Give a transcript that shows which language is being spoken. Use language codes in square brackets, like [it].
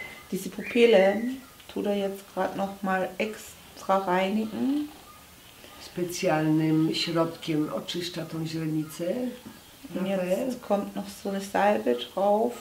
[de] Diese Pupille tut er jetzt gerade noch mal extra Frau reinigen. [pl] Spezialnym środkiem oczyszcza tą źrenicę. [de] Und jetzt kommt noch so eine Salbe drauf,